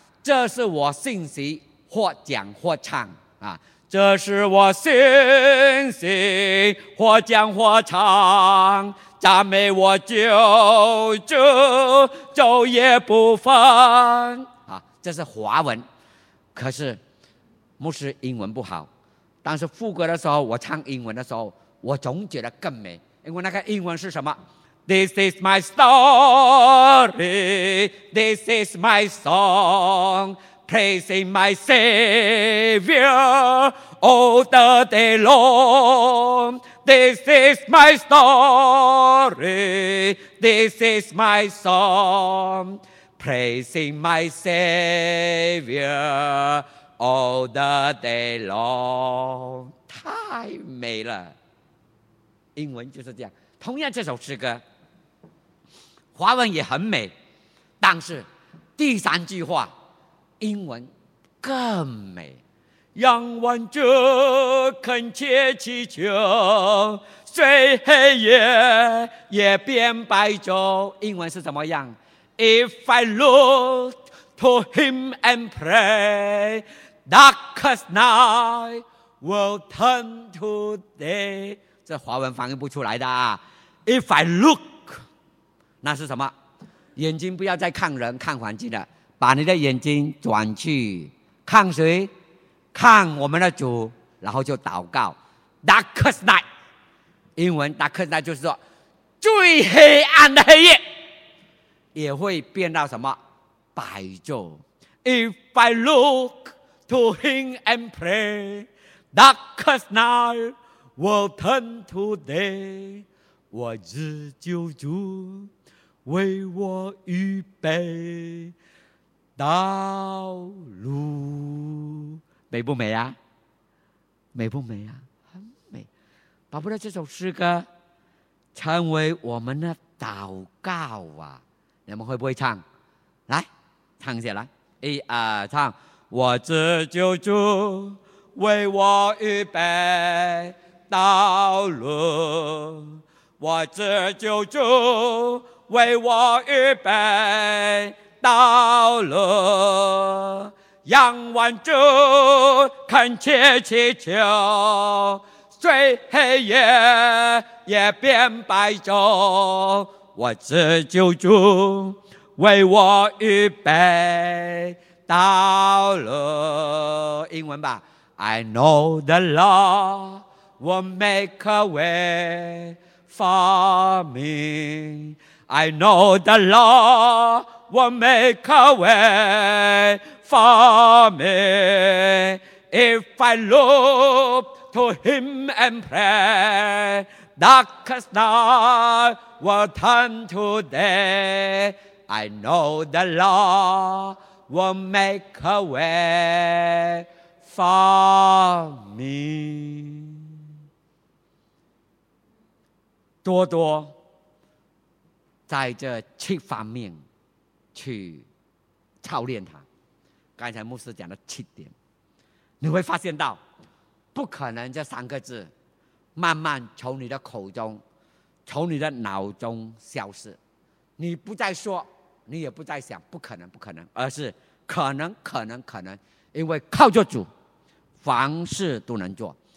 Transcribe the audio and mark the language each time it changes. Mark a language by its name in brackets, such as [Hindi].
[Chinese] 这是我信息或讲或唱啊，这是我信息或讲或唱，赞美我救主昼夜不分啊，这是华文。可是牧师英文不好，但是副歌的时候我唱英文的时候，我总觉得更美，因为那个英文是什么？ [English] This is my story, this is my song, praising my Savior all the day long. This is my story, this is my song, praising my Savior all the day long. [Chinese] 太美了，英文就是这样。同样这首诗歌华文也很美，但是第三句话英文更美。仰望着恳切祈求，虽黑夜也变白昼。英文是怎么样？ [English] If I look to him and pray, darkest night will turn to day. [Chinese] 这华文翻译不出来的啊。 [English] If I look， [Chinese] 那是什么？眼睛不要再看人看环境了，把你的眼睛转去看谁？看我们的主，然后就祷告。 [English] Darkest night， [Chinese] 英文 Darkest night 就是说最黑暗的黑夜也会变到什么？白昼。 [English] If I look to him and pray, Darkest night will turn to day. [Chinese] 我知救主为我预备道路。美不美啊？美不美啊？很美。巴不得这首诗歌成为我们的祷告啊。你们会不会唱？来唱一下，来一二唱。我知救主为我预备道路，我知救主为我预备道路，仰望主恳切祈求，虽黑夜也变白昼，我知救主为我预备道路。英文吧。 [English] I know the Lord will make a way for meI know the Lord will make a way for me. If I look to him and pray, darkest night will turn to day. I know the Lord will make a way for me. [Chinese] 多多在这七方面去操练他。刚才牧师讲的七点，你会发现到不可能这三个字慢慢从你的口中，从你的脑中消失，你不再说，你也不再想，不可能不可能，而是可能可能可能，因为靠着主凡事都能做。